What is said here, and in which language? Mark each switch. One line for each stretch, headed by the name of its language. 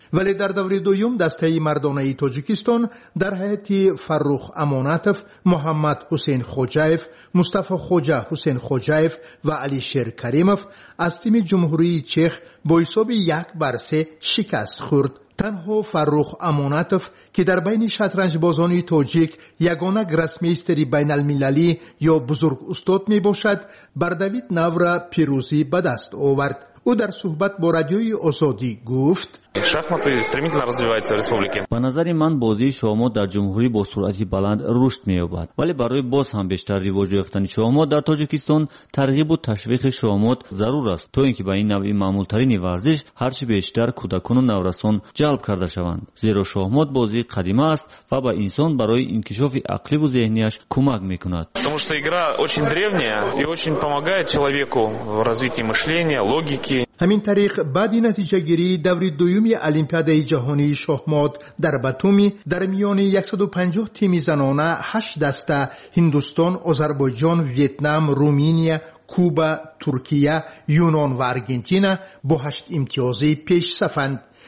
Persian: ولی در دور دوم دسته مردانه تاجیکستان در هیئت فرخ امانتوف، محمد حسین خوجایف، مصطفی خوجا حسین خوجایف و علی شیر کریموف از تیم جمهوری چخ با حساب 1-3 شکست خورد. تنها فرخ امانتوف که در بین شطرنج بازان تاجیک یگانه گراسمیستری بین المللی یا بزرگ استاد می باشد، بر دوید نورا پیروزی به دست آورد. او در صحبت با رادیوی آزادی گفت:
Russian: شاهمات стремительно развивается в республике. По
Persian: نظر من بازی شاهمات در جمهوری با سرعتی بلند رشد می‌یابد. ولی برای باز هم بیشتر رواج یافتن شاهمات در تاجیکستان، ترغیب و تشویق شاهمات ضرور است تا اینکه به این نوع معمول‌ترین ورزش هر چه بیشتر کودکان و نورسان جلب کرده شوند. زیرا شاهمات بازی قدیمی است و به انسان برای انکشاف عقلی و ذهنیش کمک می‌کند.
Russian: Потому что игра очень древняя и очень помогает человеку в развитии мышления, логики.
Persian: همین طریق بعد نتیجه گیری دور دویومی المپیاده جهانی شاهمات در باتومی در میان 150 تیم زنانه 8 دسته هندوستان، آذربایجان، ویتنام، رومینیا، کوبا، ترکیه، یونان و ارجنتینا با 8 امتیازی پیش صفند.